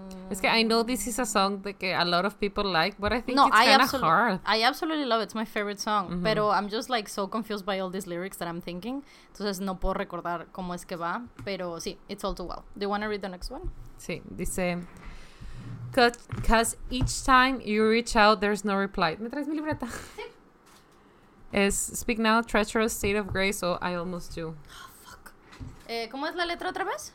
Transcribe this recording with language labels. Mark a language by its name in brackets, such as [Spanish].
[Spanish] Es que [English] I know this is a song that like, a lot of people like, but I think [Spanish] no, [English] it's kind of hard. I absolutely love it. It's my favorite song. Mm-hmm. Pero I'm just like so confused by all these lyrics that I'm thinking. [Spanish] Entonces no puedo recordar cómo es que va. Pero sí, [English] it's all too well. Do you want to read the next one? [Spanish] Sí, dice... [English] Because each time you reach out, there's no reply. [Spanish] ¿Me traes mi libreta? Es Speak Now, Treacherous State of Grace, or I Almost Do. Oh, fuck. ¿Cómo es la letra otra vez?